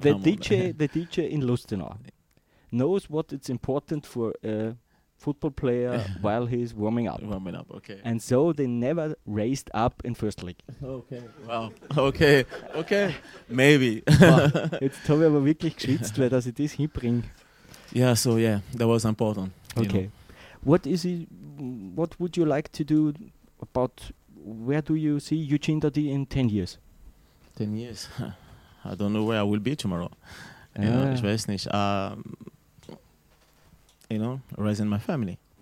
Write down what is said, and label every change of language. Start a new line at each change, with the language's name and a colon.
English: The DJ in Lustenau knows what it's important for a football player while he's warming up. Warming up, okay. And so they never raised up in first league. Okay, wow. Okay, okay, maybe.
German: Jetzt habe ich aber wirklich geschwitzt, weil dass ich das hinbringe.
English: Yeah, so yeah, that was important. Okay. You know. What would you like to do about where do you see Eugene Dadi in 10 years? 10 years? I don't know where I will be tomorrow. You know,
German: ich weiß nicht.
English: You know, raising my family.